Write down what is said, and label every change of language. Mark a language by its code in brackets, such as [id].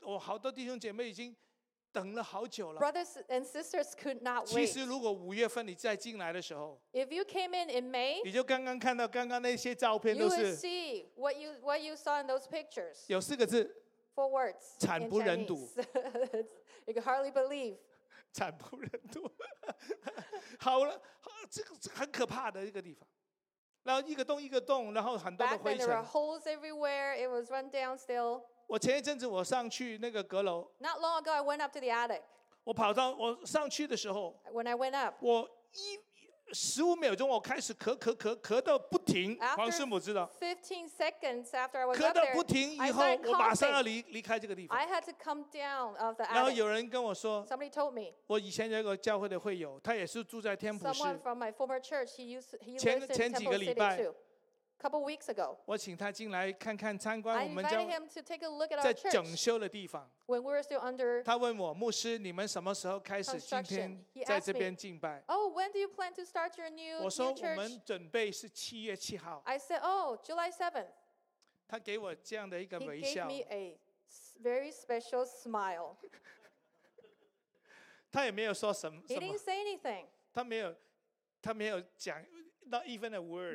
[zh] 我好多弟兄姐妹已经等了好久了。 [en] Brothers and sisters could not wait. [zh] 其实如果五月份你再进来的时候 [en] ，If you came in May， [zh] 你就刚刚看到刚刚那些照片都是。 [en] You will see what you saw in those pictures. [zh] 有四个字。 [en] Four words. [zh] 惨不忍睹 [en] You can hardly believe. [zh] 惨不忍睹好了，这个很可怕的一个地方。然后一个洞一个洞，然后很多的灰尘。 [en] Back then there were holes everywhere. It was run down still. [zh] 我前一阵子我上去那个阁楼。 [en] Not long ago, I went up to the attic. [zh] 我上去的时候。 [en] When I went up. [zh] 我十五秒钟，我开始咳咳咳咳到不停。黄师母知道。 [en] 15 seconds after I was up [zh] there, 咳到不停以后，我马上要离开这个地方。 [en] I had to come down of the attic. [zh] 然后有人跟我说 [en] ，Somebody told me. [zh] 我以前有一个教会的会友，他也是住在天普市。 [en] Someone from my former church, he lives in Temple City too. Couple weeks ago. [zh] 我请他进来看看参观我们教。 [en] I invited him to take a look at our church. [zh] 在整修的地方。 [en] When we were still under [zh] construction, 他问我牧师，你们什么时候开始今天在这边敬拜 [en] ？Oh, when do you plan to start your new church? [zh] 我说我们准备是七月七号。 [en] I said, oh, July 7th. [zh] 他给我这样的一个微笑。 [en] He gave me a very special smile. [zh] 他也没有说什么。 [en] He didn't say anything. [zh] 他没有讲 [en] not even a word.